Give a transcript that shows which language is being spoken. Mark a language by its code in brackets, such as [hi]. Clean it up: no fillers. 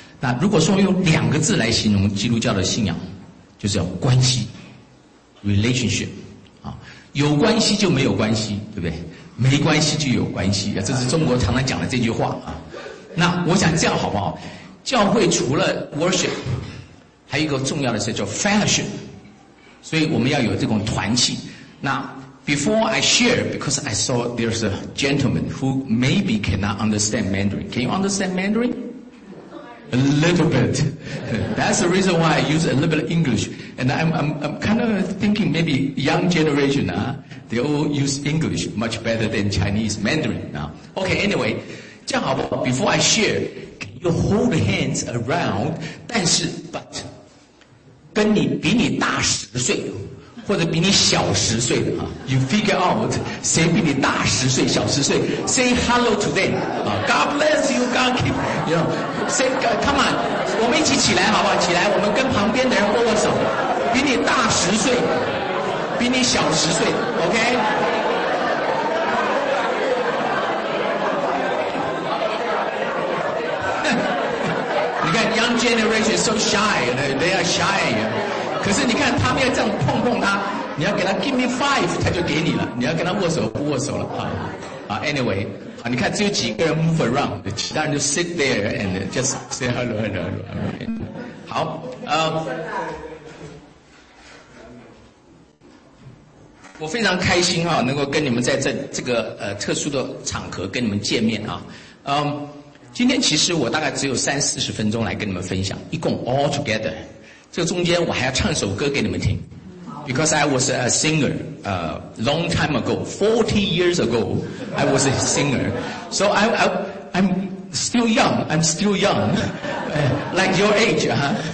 [zh] 那如果说用两个字来形容基督教的信仰，就是要关系 relationship 啊，有关系就没有关系，对不对？没关系就有关系，这是中国常常讲的这句话啊。那我想这样好不好？教会除了 worship， 还有一个重要的事叫 fellowship， 所以我们要有这种团契。 [en] 那 before I share， because I saw there's a gentleman who maybe cannot understand Mandarin. Can you understand Mandarin? A little bit. That's the reason why I use a little bit of English. And I'm kind of thinking maybe young generation, they all use English much better than Chinese Mandarin now. Okay, anyway, [zh] 这样好不好? [en] Before I share, can you hold hands around? [zh] 但是 [en] but, [zh] 跟你比你大十岁或者比你小十岁的啊 , [en] you figure out [zh] 谁比你大十岁小十岁 , [en] say hello to them, God bless you, God keep, you know, say, come on, [zh] 我们一起起来好不好，起来我们跟旁边的人握握手，比你大十岁比你小十岁 , [en] OK? [zh] 你看 [en] ,young generation is so shy, they are shy. [zh] 可是你看他们要这样碰碰他，你要给他 [en] give me five [zh] 他就给你了，你要跟他握手不握手了啊。 [en] Anyway， [zh] 你看只有几个人 [en] move around， [zh] 其他人就 [en] sit there and just say hello hello hello。 [zh] 好，我非常开心啊，能够跟你们在这个特殊的场合跟你们见面啊。今天其实我大概只有三四十分钟来跟你们分享，一共 [en] all together [zh] 这中间我还要唱首歌给你们听 [en] ，because I was a singer, long time ago, 40 years ago, I was a singer, so I'm still young, I'm still young, like your age, huh?